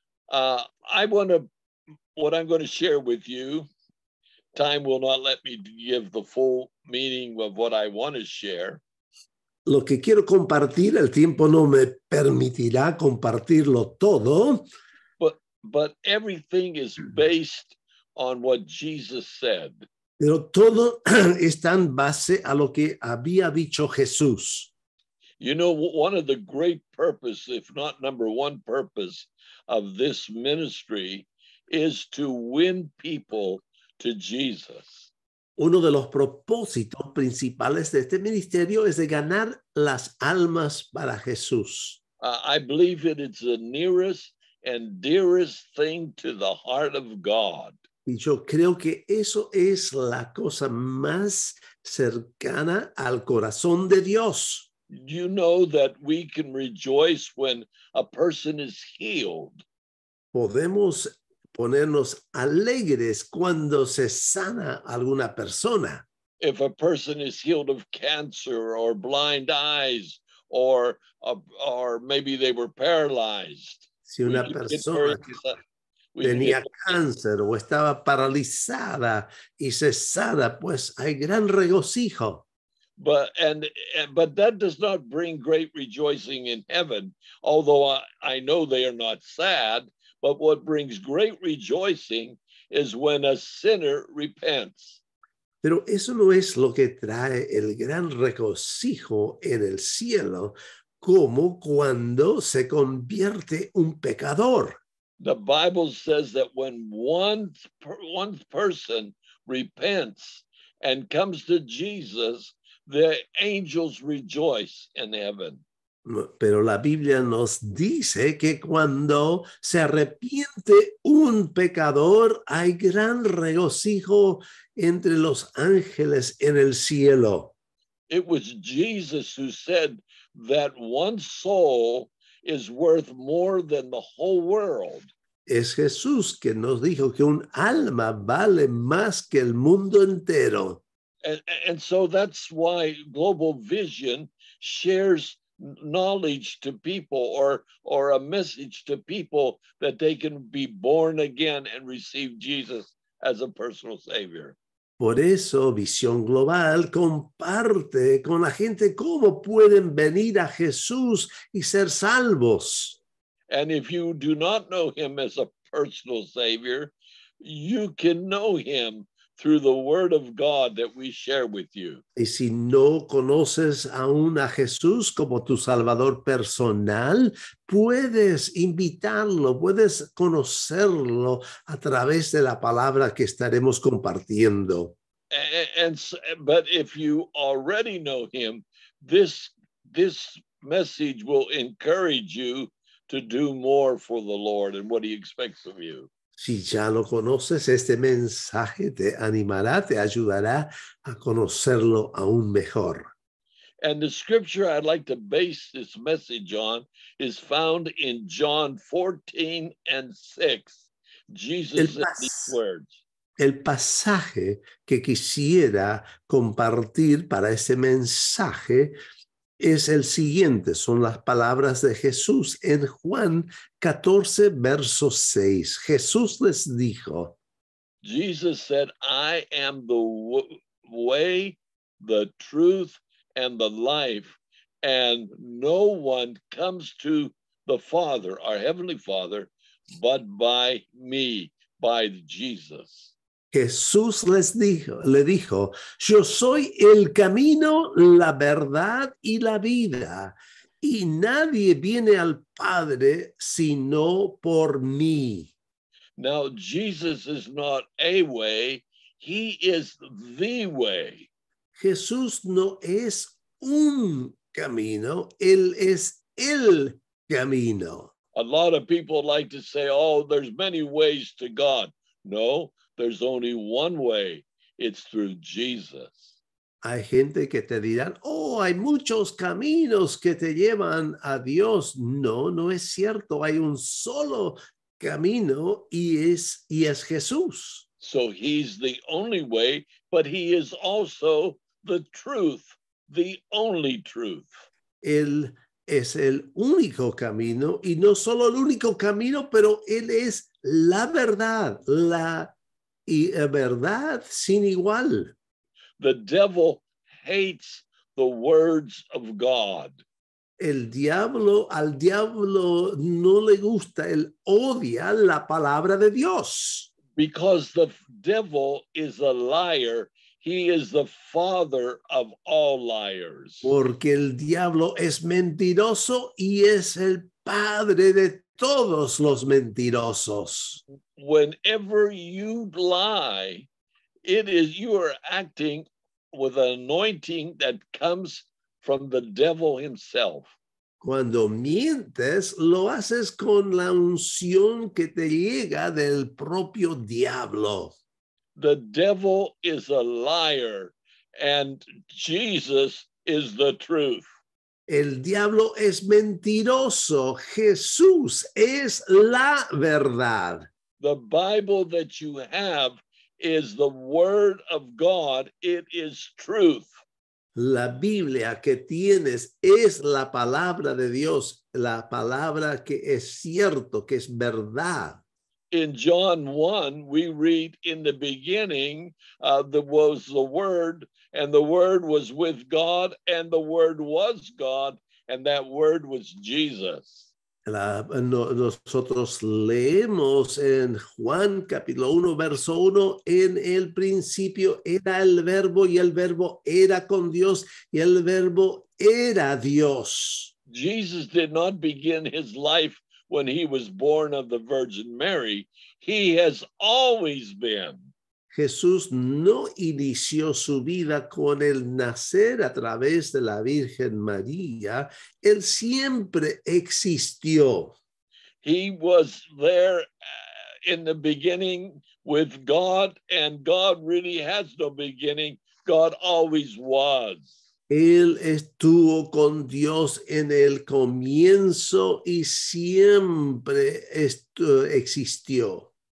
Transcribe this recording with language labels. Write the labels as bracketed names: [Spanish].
[English] I want to, what I'm going to share with you, time will not let me give the full meaning of what I want to share. [Spanish] Lo que quiero compartir, el tiempo no me permitirá compartirlo todo. [English] But everything is based on what Jesus said. [Spanish] Pero todo está en base a lo que había dicho Jesús. [English] You know, one of the great purpose, if not number one purpose, of this ministry is to win people to Jesus. [Spanish] Uno de los propósitos principales de este ministerio es de ganar las almas para Jesús. [English] I believe it is the nearest and dearest thing to the heart of God. [Spanish] Y yo creo que eso es la cosa más cercana al corazón de Dios. [English] You know that we can rejoice when a person is healed. [Spanish] Podemos ponernos alegres cuando se sana alguna persona. [English] If a person is healed of cancer or blind eyes or maybe they were paralyzed. [Spanish] Si una persona tenía cáncer o estaba paralizada y cesada, pues hay gran regocijo. [English] But that does not bring great rejoicing in heaven, although I know they are not sad, but what brings great rejoicing is when a sinner repents. [Spanish] Pero eso no es lo que trae el gran regocijo en el cielo, como cuando se convierte un pecador. [English] The Bible says that when one person repents and comes to Jesus, the angels rejoice in heaven. [Spanish] Pero la Biblia nos dice que cuando se arrepiente un pecador, hay gran regocijo entre los ángeles en el cielo. [English] It was Jesus who said that one soul is worth more than the whole world. [Spanish] Es Jesús que nos dijo que un alma vale más que el mundo entero. [English] And so that's why Global Vision shares knowledge to people or a message to people that they can be born again and receive Jesus as a personal savior. [Spanish] Por eso Visión Global comparte con la gente cómo pueden venir a Jesús y ser salvos. [English] And if you do not know him as a personal savior, you can know him through the word of God that we share with you. [Spanish] Y si no conoces aún a Jesús como tu salvador personal, puedes invitarlo, puedes conocerlo a través de la palabra que estaremos compartiendo. [English] But if you already know him, this message will encourage you to do more for the Lord and what he expects of you. [Spanish] Si ya lo conoces, este mensaje te animará, te ayudará a conocerlo aún mejor. [English] And the scripture I'd like to base this message on is found in John 14 and 6. Jesus said these words. [Spanish] El pasaje que quisiera compartir para este mensaje es el siguiente, son las palabras de Jesús en Juan 14, verso 6. Jesús les dijo, [English] Jesus said, I am the way, the truth, and the life, and no one comes to the Father, our Heavenly Father, but by me, by Jesus. [Spanish] Jesús le dijo, yo soy el camino, la verdad y la vida, y nadie viene al Padre sino por mí. [English] Now, Jesus is not a way, He is the way. [Spanish] Jesús no es un camino. Él es el camino. [English] A lot of people like to say, oh, there's many ways to God. No, there's only one way. It's through Jesus. [Spanish] Hay gente que te dirán, oh, hay muchos caminos que te llevan a Dios. No, no es cierto. Hay un solo camino y es Jesús. [English] So he's the only way, but he is also the truth, the only truth. [Spanish] Él es el único camino, y no solo el único camino, pero él es la verdad, la verdad sin igual. [English] The devil hates the words of God. [Spanish] Al diablo no le gusta, él odia la palabra de Dios. [English] Because the devil is a liar, he is the father of all liars. [Spanish] Porque el diablo es mentiroso y es el padre de todos los mentirosos. [English] Whenever you lie, you are acting with an anointing that comes from the devil himself. [Spanish] Cuando mientes, lo haces con la unción que te llega del propio diablo. [English] The devil is a liar, and Jesus is the truth. [Spanish] El diablo es mentiroso. Jesús es la verdad. [English] The Bible that you have is the word of God. It is truth. [Spanish] La Biblia que tienes es la palabra de Dios, la palabra que es cierto, que es verdad. [English] In John 1, we read, in the beginning, there was the Word, and the Word was with God, and the Word was God, and that Word was Jesus. [Spanish] Nosotros leemos en Juan capítulo 1, verso 1, en el principio era el Verbo, y el Verbo era con Dios, y el Verbo era Dios. [English] Jesus did not begin his life when he was born of the Virgin Mary. He has always been. [Spanish] Jesús no inició su vida con el nacer a través de la Virgen María. Él siempre existió. [English] He was there in the beginning with God, and God really has no beginning. God always was. [Spanish] Él estuvo con Dios en el comienzo y siempre existió.